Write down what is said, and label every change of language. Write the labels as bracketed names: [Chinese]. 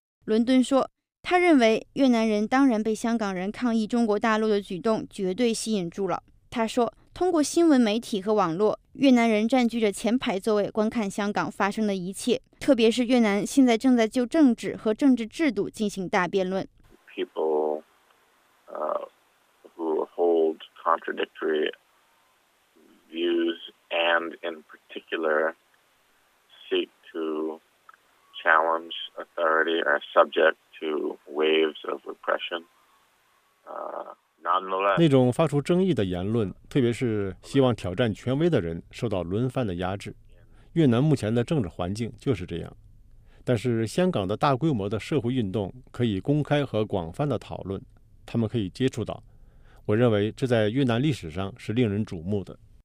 [Chinese] 伦敦说，他认为越南人当然被香港人抗议中国大陆的举动绝对吸引住了。他说，通过新闻媒体和网络，越南人占据着前排座位观看香港发生的一切，特别是越南现在正在就政治和政治制度进行大辩论。 [English] People who hold contradictory views and in particular seek to challenge authority are subject to waves of repression. Nonetheless, [Chinese] 那种发出争议的言论，特别是希望挑战权威的人，受到轮番的压制。越南目前的政治环境就是这样。但是香港的大规模的社会运动可以公开和广泛的讨论，他们可以接触到，我认为这在越南历史上是令人瞩目的。